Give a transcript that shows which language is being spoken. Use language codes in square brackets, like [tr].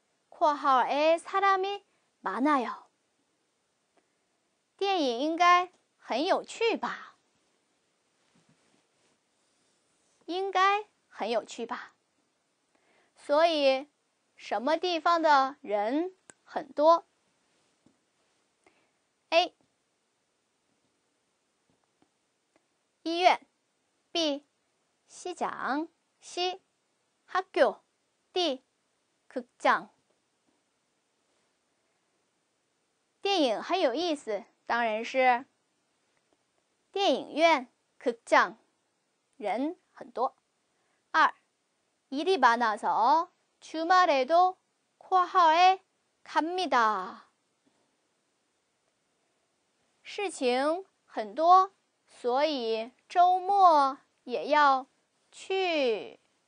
[ko] 括号에사람이많아요。 [zh] 电影应该很有趣吧？应该很有趣吧？所以，什么地方的人很多？ [ko] A 医院 B 시장 C 학교 D 극장。 [zh] 电影很有意思，当然是电影院극장，人很多。 [ko] 二일이많아서주말에도括号에갑니다， [zh] 事情很多，所以周末也要去。